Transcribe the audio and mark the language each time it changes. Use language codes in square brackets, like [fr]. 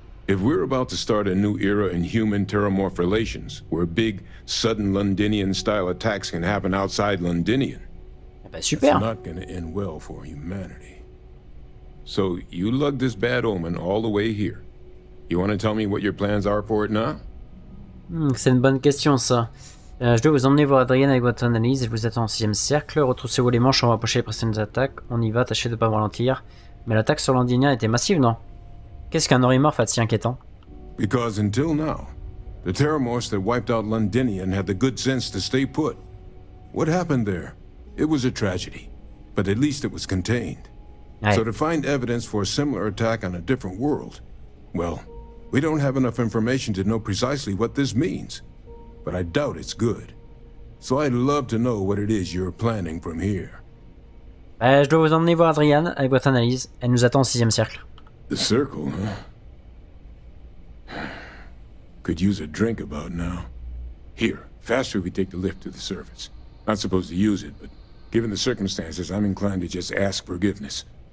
[en] If we're about to start a new era in human-Terramorph relations, where big, sudden Londinian-style attacks can happen outside Londinian, [fr] bah super. [en] That's not gonna end well for humanity. So, you lugged this bad omen all the way here. You wanna tell me what your plans are for it now? [fr] C'est une bonne question, ça. Je dois vous emmener voir Adrienne avec votre analyse. Je vous attends en 6e cercle. Retroussez-vous les manches, on va approcher les prochaines attaques. On y va, tâchez de pas me ralentir. Mais l'attaque sur Londinien était massive, non? Qu'est-ce qu'un Orimorph a de si inquiétant? [en] Because until now, the Terramorphs that wiped out Londinian had the good sense to stay put. What happened there? It was a tragedy, but at least it was contained. Aye. So to find evidence for a similar attack on a different world, well, we don't have enough information to know precisely what this means, but I doubt it's good. So I'd love to know what it is you're planning from here. [fr] Je dois vous emmener voir Adrienne avec votre analyse. Elle nous attend au 6e cercle. [en] The circle, huh? Could use a drink about now. Here, faster we take the lift to the surface. Not supposed to use it, but given the circumstances, I'm inclined to just ask forgiveness.